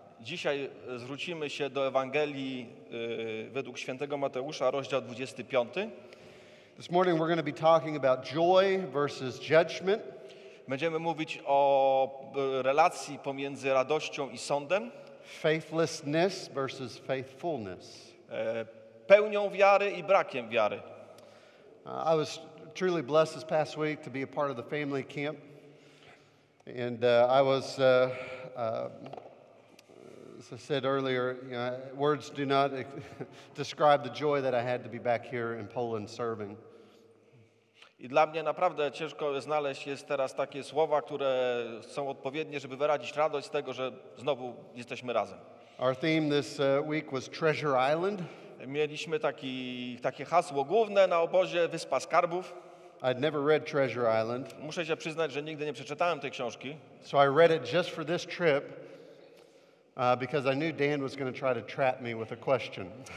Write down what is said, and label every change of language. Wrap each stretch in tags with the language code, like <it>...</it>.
<pl>Dzisiaj zwrócimy się do Ewangelii według Świętego Mateusza, rozdział 25.</pl> <en>This morning we're going to be talking about joy versus judgment.</en> <pl>Będziemy mówić o relacji pomiędzy radością i sądem.</pl> <en>Faithlessness versus faithfulness.</en> <pl>Pełnią wiary i brakiem wiary.</pl> <en>I was truly blessed this past week to be a part of the family camp. And I was, as I said earlier, you know, words do not describe the joy that I had to be back here in Poland serving.</en> <pl>I dla mnie naprawdę ciężko znaleźć jest teraz takie słowa, które są odpowiednie, żeby wyrazić radość z tego, że znowu jesteśmy razem.</pl> <en>Our theme this week was Treasure Island.</en> <pl>Mieliśmy takie hasło główne na obozie, Wyspa Skarbów.</pl> <en>I'd never read Treasure Island.</en> <pl>Muszę się przyznać, że nigdy nie przeczytałem tej książki.</pl> <en>So I read it just for this trip. Because I knew Dan was going to try to trap me with a question.</en>